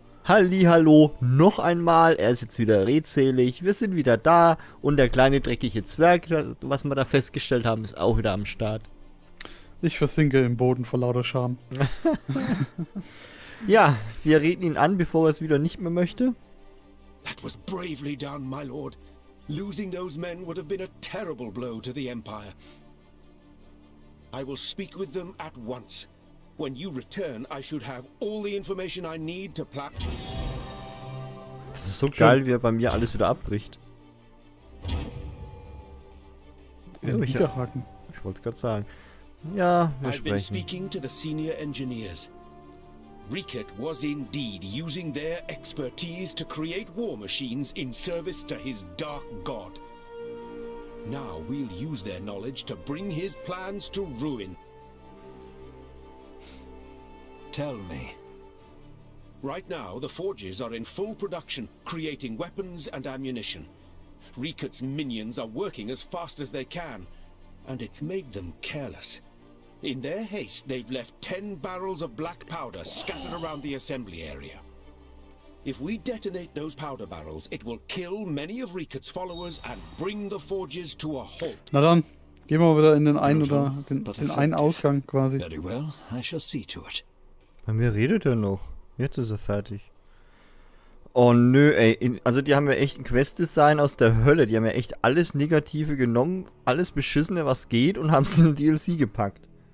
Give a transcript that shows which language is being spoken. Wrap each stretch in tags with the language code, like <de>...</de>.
<de>Hallihallo, noch einmal, er ist jetzt wieder redselig, wir sind wieder da und der kleine dreckige Zwerg, was wir da festgestellt haben, ist auch wieder am Start. Ich versinke im Boden vor lauter Scham. Ja, wir reden ihn an, bevor er es wieder nicht mehr möchte.</de> <en>That was bravely done, my lord. Losing those men would have been a terrible blow to the Empire. I will speak with them at once. When you return, I should have all the information I need to plan.</en> <de>Das ist so geil, wie er bei mir alles wieder abbricht. Ich wollte es gerade sagen. Ja, wir sprechen.</de> <en>I've been speaking to the senior engineers. Rickett was indeed using their expertise to create war machines in service to his dark god. Now we'll use their knowledge to bring his plans to ruin. Tell me. Right now, the forges are in full production, creating weapons and ammunition. Rickett's minions are working as fast as they can, and it's made them careless. In their haste, they've left 10 barrels of black powder scattered around the assembly area. If we detonate those powder barrels, it will kill many of Rickett's followers and bring the forges to a halt.</en> <de>Na dann, gehen wir wieder in den einen oder den einen Ausgang quasi.</de> <en>Very well, I shall see to it.</en> <de>Bei mir redet er noch. Jetzt ist er fertig. Oh nö, ey. Also die haben ja echt ein Quest-Design aus der Hölle. Die haben ja echt alles Negative genommen, alles Beschissene, was geht, und haben es in den DLC gepackt.</de>